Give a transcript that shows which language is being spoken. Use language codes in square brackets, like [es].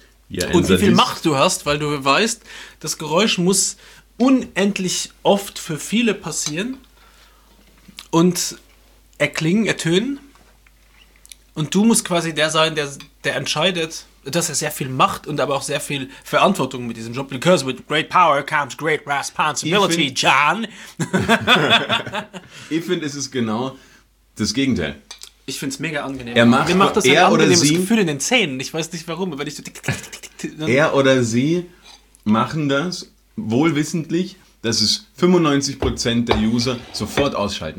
[de] Ja, und wie viel Macht du hast, weil du weißt, das Geräusch muss unendlich oft für viele passieren und erklingen, ertönen. Und du musst quasi der sein, der entscheidet, dass er sehr viel Macht und aber auch sehr viel Verantwortung mit diesem Job. [en] Because with great power comes great responsibility, John. [de] Ich finde, es ist genau das Gegenteil. Ich finde es mega angenehm. Mir macht das ein angenehmes Gefühl in den Zähnen. Ich weiß nicht warum, aber wenn ich so... Er oder sie machen das wohlwissentlich, dass es 95% der User sofort ausschalten.